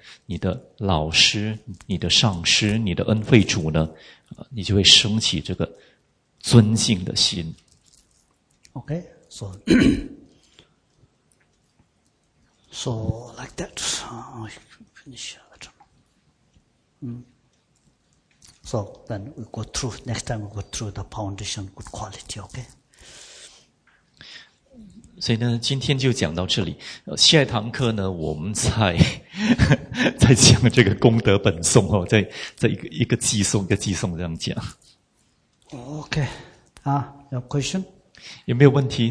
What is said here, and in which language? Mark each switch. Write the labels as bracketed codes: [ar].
[zh] 你的老师、你的上师、你的恩惠主呢，你就会升起这个尊敬的心。 [en] OK, so, so like that, I finish a little. So then we go through, next time we go through the foundation, good quality, okay? [zh] 所以呢，今天就讲到这里。下一堂课呢，我们再讲这个功德本颂哦，在一个偈颂一个偈颂这样讲。 [en] OK, 啊 ，Your question? [zh] 有没有问题？